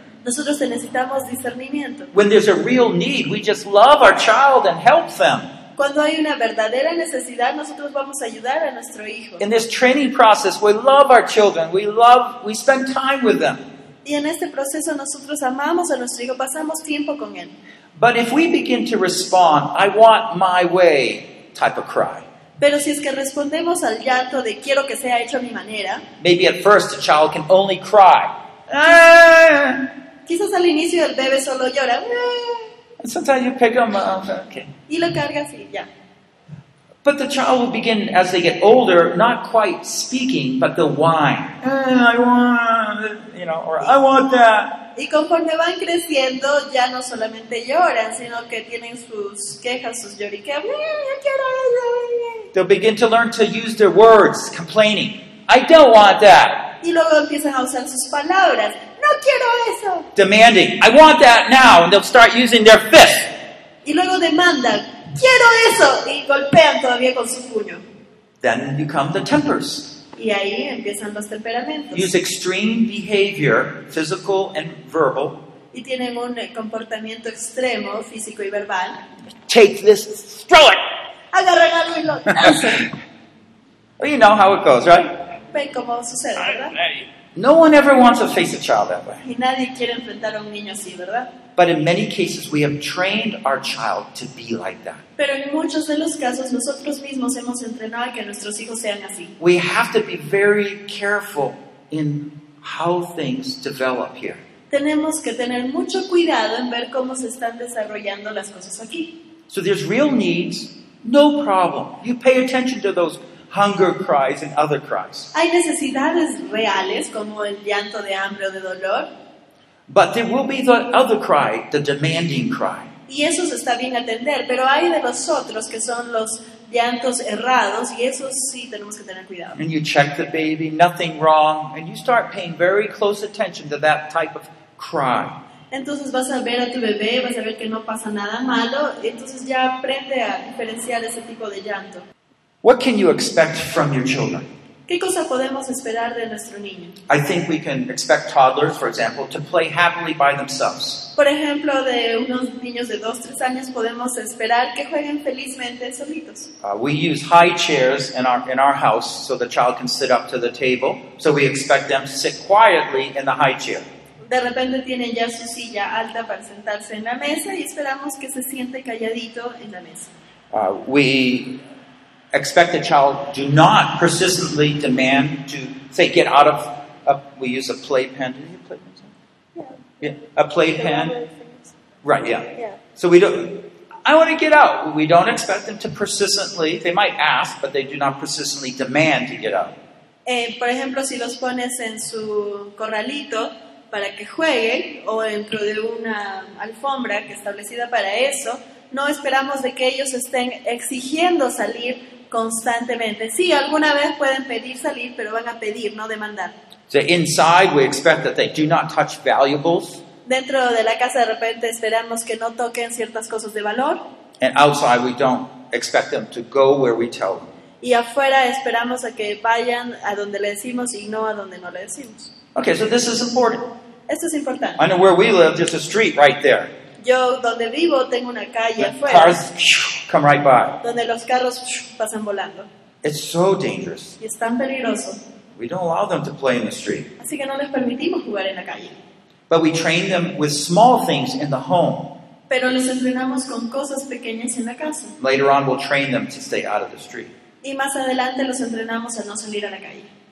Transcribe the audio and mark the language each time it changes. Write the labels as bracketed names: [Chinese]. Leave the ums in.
[Spanish] Nosotros necesitamos discernimiento. [English] When there's a real need, we just love our child and help them. [Spanish] Cuando hay una verdadera necesidad, nosotros vamos a ayudar a nuestro hijo. [English] In this training process, we love our children. We love, we spend time with them. [Spanish] Y en este proceso nosotros amamos a nuestro hijo, pasamos tiempo con él. [English] But if we begin to respond, I want my way type of cry, [Spanish] Pero si es que respondemos al llanto de quiero que sea hecho a mi manera, [English] maybe at first a child can only cry. "Ah." [Spanish] quizás al inicio el bebé solo llora "Ah", [English] And sometimes you pick them up. Okay. [Spanish] y lo carga así, ya. [English] But the child will begin, as they get older, not quite speaking, but they'll whine. "Ah, I want, you know, or I want that. [Spanish] Y conforme van creciendo, ya no solamente lloran, sino que tienen sus quejas, sus lloriqueos. "Ah, yo quiero eso". [English] They'll begin to learn to use their words, complaining. I don't want that. [Spanish] Y luego empiezan a usar sus palabras. No quiero eso. [English] Demanding. I want that now. And they'll start using their fist. [Spanish] Y luego demandan. Quiero eso. Y golpean todavía con su puño. [English] Then you come the tempers. [Spanish] Y ahí empiezan los temperamentos. [English] Use extreme behavior, physical and verbal. [Spanish] Y tienen un eh, comportamiento extremo, físico y verbal. [English] Take this, throw it. [Spanish] Agarran algo y lo lanzan. [English] Well, you know how it goes, right? [Spanish] Ven cómo sucede, ¿verdad? [English] No one ever wants to face a child that way. [Spanish] Y nadie quiere enfrentar a un niño así, ¿verdad? [English] But in many cases, we have trained our child to be like that. [Spanish] Pero en muchos de los casos nosotros mismos hemos entrenado a que nuestros hijos sean así. [English] We have to be very careful in how things develop here. [Spanish] Tenemos que tener mucho cuidado en ver cómo se están desarrollando las cosas aquí. [English] So there's real needs, no problem. You pay attention to those hunger cries and other cries. [Spanish] Hay necesidades reales como el llanto de hambre o de dolor [English] But there will be the other cry, the demanding cry. [Spanish] y esos está bien atender, pero hay de los otros que son los llantos errados y esos sí tenemos que tener cuidado. [English] And you check the baby, nothing wrong, and you start paying very close attention to that type of cry. [Spanish] Entonces vas a ver a tu bebé, vas a ver que no pasa nada malo, entonces ya aprende a diferenciar ese tipo de llanto. [English] What can you expect from your children? [Spanish] ¿Qué cosa podemos esperar de nuestro niño? [English] I think we can expect toddlers, for example, to play happily by themselves. [Spanish] Por ejemplo, de unos niños de 2, 3 años podemos esperar que jueguen felizmente solitos. [English] Uh, we use high chairs in our, in our house so the child can sit up to the table, so we expect them to sit quietly in the high chair. [Spanish] De repente tienen ya su silla alta para sentarse en la mesa y esperamos que se siente calladito en la mesa. [English] Uh, we expect the child do not persistently demand to say get out of. A, we use a playpen. Do you play yeah. a playpen. Right. Yeah. Yeah. So we don't. I want to get out. We don't expect them to persistently. They might ask, but they do not persistently demand to get out. [Spanish] Eh, por ejemplo, si los pones en su corralito para que jueguen o dentro de una alfombra que establecida para eso, no esperamos de que ellos estén exigiendo salir constantemente. Sí, alguna vez pueden pedir salir, pero van a pedir, no demandar. [English] So inside, we expect that they do not touch valuables, [Spanish] Dentro de la casa de repente esperamos que no toquen ciertas cosas de valor [English] and outside, we don't expect them to go where we tell them. [Spanish] y afuera esperamos a que vayan a donde le decimos y no a donde no le decimos. [English] Okay, so this is important. [Spanish] Esto es importante. [English] I know where we live. There's a street right there. [Spanish] Yo donde vivo tengo una calle afuera. [English] Cars phew, come right by. [Spanish] donde los carros psh, pasan volando [English] It's so dangerous. [Spanish] y es tan peligroso. [English] We don't allow them to play in the street. [Spanish] Así que no les permitimos jugar en la calle. [English] But we train them with small things in the home. [Spanish] Pero les entrenamos con cosas pequeñas en la casa. [English] Later on, we'll train them to stay out of the street. [Spanish] Y más adelante los entrenamos a no salir a la calle.